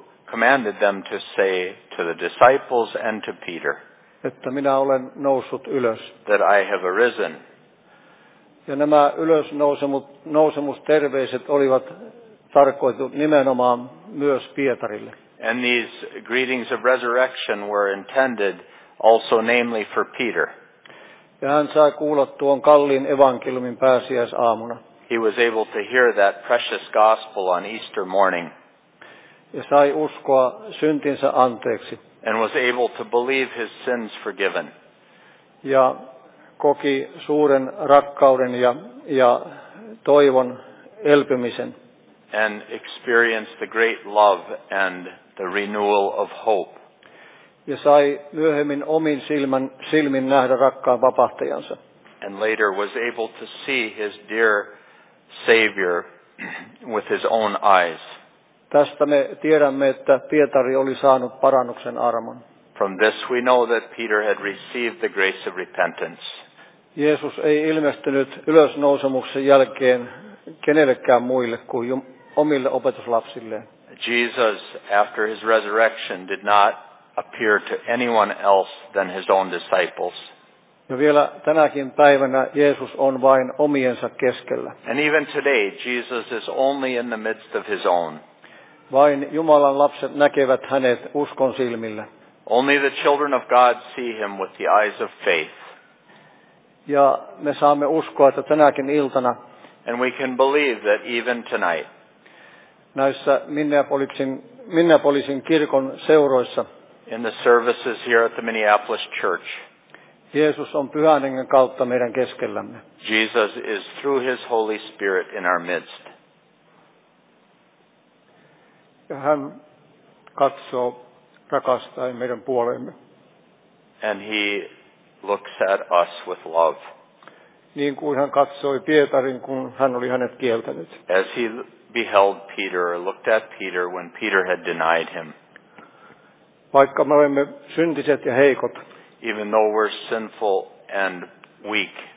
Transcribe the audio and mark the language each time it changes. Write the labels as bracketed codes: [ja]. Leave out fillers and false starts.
[en] Commanded them to say to the disciples and to Peter. [fi] Että minä olen noussut ylös. [en] That I have arisen. [fi] Ja nämä ylösnousemusterveiset olivat tarkoitetut nimenomaan myös Pietarille. [en] And these greetings of resurrection were intended also namely for Peter. [fi] Ja hän sai kuulla tuon kalliin evankeliumin pääsiäisaamuna. [en] He was able to hear that precious gospel on Easter morning. [fi] Ja sai uskoa syntinsä anteeksi. [en] And was able to believe his sins forgiven. [fi] Ja koki suuren rakkauden ja toivon elpymisen. [en] And experienced the great love and the renewal of hope. [fi] Ja sai myöhemmin omin silmin nähdä rakkaan vapahtajansa. [en] And later was able to see his dear Savior with his own eyes. [fi] Tästä me tiedämme, että Pietari oli saanut parannuksen armon. [en] From this we know that Peter had received the grace of repentance. [fi] Jeesus ei ilmestynyt ylösnousemuksen jälkeen kenellekään muille kuin omille opetuslapsille. [en] Jesus, after his resurrection, did not appear to anyone else than his own disciples. [fi] Ja vielä tänäkin päivänä Jeesus on vain omiensa keskellä. [en] And even today, Jesus is only in the midst of his own. [fi] Vain Jumalan lapset näkevät hänet uskon silmillä. [en] Only the children of God see him with the eyes of faith. [fi] Ja me saamme uskoa, että tänäkin iltana. [en] And we can believe that even tonight. [fi] Näissä Minneapolisin kirkon seuroissa. [en] In the services here at the Minneapolis Church. [fi] Jeesus on Pyhän Hengen kautta meidän keskellämme. [en] Jesus is through his Holy Spirit in our midst. [fi] Ja hän katsoo rakastaen meidän puoleemme. [en] And he looks at us with love. [fi] Niin kuin hän katsoi Pietarin, kun hän oli hänet kieltänyt. [en] As he beheld Peter, or looked at Peter when Peter had denied him. [fi] Vaikka me olemme syntiset ja heikot. [en] Even though we're sinful and weak.